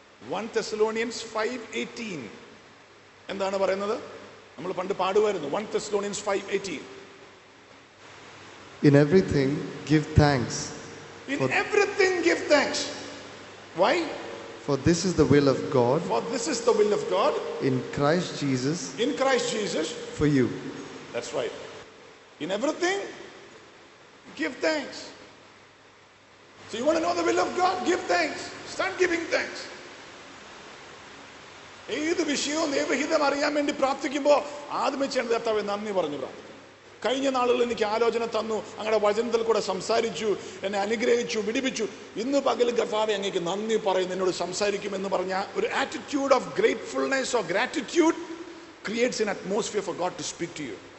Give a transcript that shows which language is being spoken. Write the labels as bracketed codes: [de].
[ml] 1 Thessalonians 5:18 എന്താണ് പറയുന്നത്? നമ്മൾ പണ്ട് പാടുമായിരുന്നു 1 Thessalonians 5:18. [en] In everything give thanks. In everything give thanks. Why? For this is the will of God. For this is the will of God. In Christ Jesus. In Christ Jesus. For you. That's right. In everything give thanks. So you want to know the will of God? Give thanks. Start giving thanks. [ml] ഏത് വിഷയവും ദൈവഹിതം അറിയാൻ വേണ്ടി പ്രാർത്ഥിക്കുമ്പോൾ ആദ്യമേ ചെയ്യണം, കർത്താവേ നന്ദി പറഞ്ഞു പ്രാർത്ഥിക്കും. കഴിഞ്ഞ നാളുകളിൽ എനിക്ക് ആലോചന തന്നു, അങ്ങടെ വചനത്തിൽ കൂടെ സംസാരിച്ചു, എന്നെ അനുഗ്രഹിച്ചു, വിടിപ്പിച്ചു. ഇന്ന് പകലും കർത്താവേ അങ്ങേക്ക് നന്ദി പറയും, എന്നോട് സംസാരിക്കുമെന്ന് പറഞ്ഞ ഒരു [en] Attitude of gratefulness or gratitude creates in atmosphere for God to speak to you.